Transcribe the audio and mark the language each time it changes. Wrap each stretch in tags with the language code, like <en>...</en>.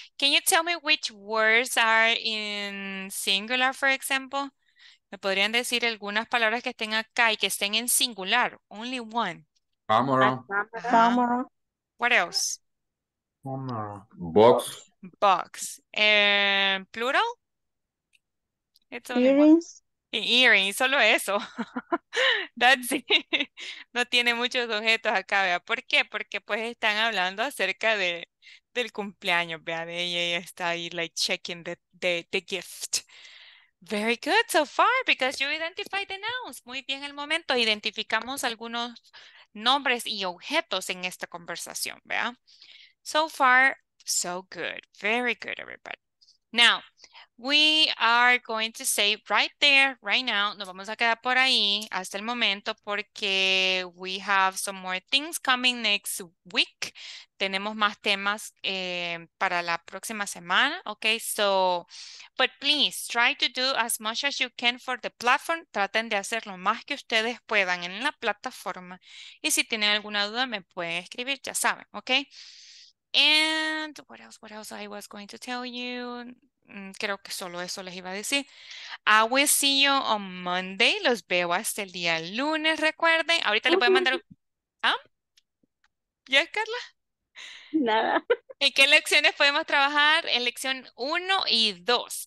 <en>Can you tell me which words are in singular, for example?</en> <es>¿Me podrían decir algunas palabras que estén acá y que estén en singular?</es> <en>Only one. Camera. Camera. Uh-huh. What else? Camera. Box. And plural? It's only earrings. One. Earrings,</en> <es>solo eso.</es> <en>That's it.</en> <es>No tiene muchos objetos acá, ¿vea? ¿Por qué? Porque pues están hablando acerca del cumpleaños, ¿vea? De ella y está ahí,</es> <en>like, checking the gift. Very good so far, because you identified the nouns.</en> <es>Muy bien el momento. Identificamos algunos nombres y objetos en esta conversación, ¿vea?</es> <en>So far, so good. Very good, everybody. Now, We are going to say right there, right now.</en> <es>Nos vamos a quedar por ahí hasta el momento porque</es> <en>we have some more things coming next week.</en> <es>Tenemos más temas para la próxima semana.</es> <en>Okay, so, but please try to do as much as you can for the platform.</en> <es>Traten de hacer lo más que ustedes puedan en la plataforma. Y si tienen alguna duda, me pueden escribir, ya saben.</es> <en>Okay, and what else I was going to tell you.</en> <es>Creo que solo eso les iba a decir.</es> <en>I will see you on Monday.</en> <es>Los veo hasta el día lunes, recuerden. Ahorita les voy a mandar un... ¿Ya, Carla? Nada. ¿En qué lecciones podemos trabajar? En lección 1 y 2.</es>